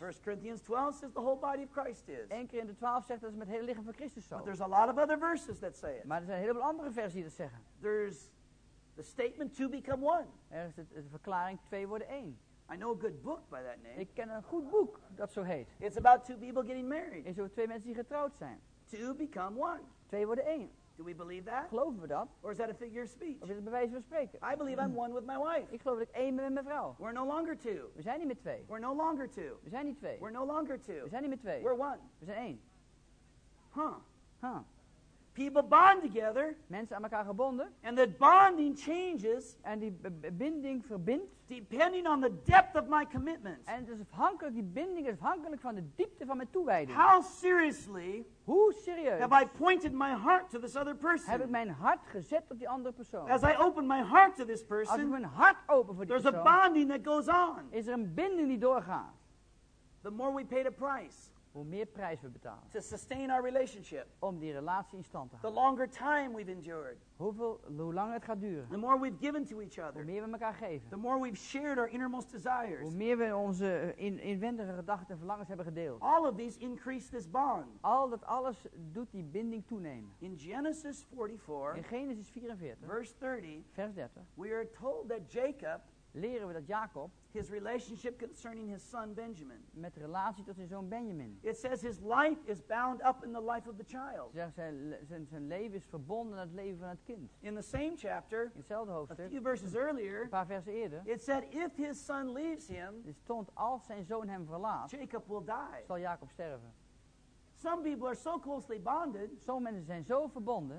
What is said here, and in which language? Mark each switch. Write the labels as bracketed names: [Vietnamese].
[English] 1 Corinthians 12 says the whole body of Christ is. [Dutch] 1 Corinthië 12 zegt dat het met het hele lichaam van Christus zo. [English] But there's a lot of other verses that say it. [Dutch] Maar er zijn heel veel andere versies die dat zeggen. [English] There's the statement two become one. [Dutch] Er is de verklaring twee worden één. [English] I know a good book by that name. [Dutch] Ik ken een goed boek dat zo heet. [English] It's about two people getting married. [Dutch] Het is over twee mensen die getrouwd zijn. [English] Two become one. [Dutch] Twee worden één. [English] Do we believe that? [Dutch] Geloven we dat? [English] Or is that a figure of speech? [Dutch] Of is het een bewijs van spreken? [English] I believe I'm one with my wife. [Dutch] Ik geloof dat ik één ben met mijn vrouw. [English] We're no longer two. [Dutch] We zijn niet meer twee. [English] We're no longer two. [Dutch] We zijn niet twee. [English] We're no longer two. [Dutch] We zijn niet meer twee. [English] We're one. [Dutch] We zijn één. [English] Huh? People bond together. [Dutch] Mensen aan elkaar gebonden. [English] And that bonding changes. [Dutch] En die binding verbindt. [English] Depending on the depth of my commitment. [Dutch] En het is afhankelijk, die binding is afhankelijk van de diepte van mijn toewijding. [English] How seriously? [Dutch] Hoe serieus? [English] Have I pointed my heart to this other person? [Dutch] Heb ik mijn hart gezet op die andere persoon? [English] As I open my heart to this person. [Dutch] Als ik mijn hart open voor die [English] there's [Dutch] persoon. [English] There's a bonding that goes on. [Dutch] Is er een binding die doorgaat? [English] The more we pay the price. [Dutch] Hoe meer prijs we betalen. [English] To sustain our relationship. [Dutch] Om die relatie in stand te houden. [English] The longer time we've endured. [Dutch] Hoe langer het gaat duren. [English] The more we've given to each other. [Dutch] Hoe meer we elkaar geven. [English] The more we've shared our innermost desires. [Dutch] Hoe meer we onze inwendige gedachten en verlangens hebben gedeeld. [English] All of these increase this bond. [Dutch] Al dat alles doet die binding toenemen. [English] In Genesis 44. [Dutch] In Genesis 44. [English] Verse [Dutch] 30. Vers [English] 30. We are told that Jacob. [Dutch] Leren we dat Jacob. [English] His relationship concerning his son Benjamin. [Dutch] Met de relatie tot zijn zoon Benjamin. [English] It says his life is bound up in the life of the child. [Dutch] Zegt zijn leven is verbonden aan het leven van het kind. [English] In the same chapter. [Dutch] In hetzelfde hoofdstuk. [English] A few verses earlier. [Dutch] Een paar versen eerder. [English] It said if his son leaves him. [Dutch] Het stond als zijn zoon hem verlaat. [English] Jacob will die. [Dutch] Zal Jacob sterven. [English] Some people are so closely bonded. [Dutch] Sommige mensen zijn zo verbonden.